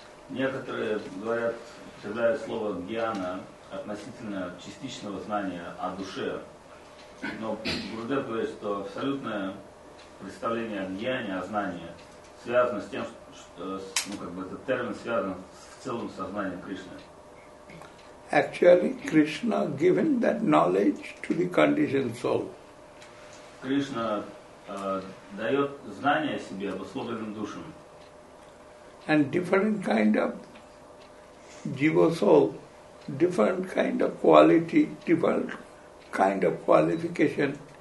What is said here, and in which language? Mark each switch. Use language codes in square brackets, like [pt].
[ru] Некоторые говорят, считают слово гьяна относительно частичного знания о душе. Но Гурудев говорит, что абсолютное представление о гьяне, о знании, связано с тем, что ну, как бы этот термин связан с целым сознанием Кришны. [en] Actually, Krishna given that knowledge to the conditioned soul. [ru] Krishna дает знание о себе обусловленным душам. [en] And different kind of jiva soul, different kind of quality, different kind of qualification.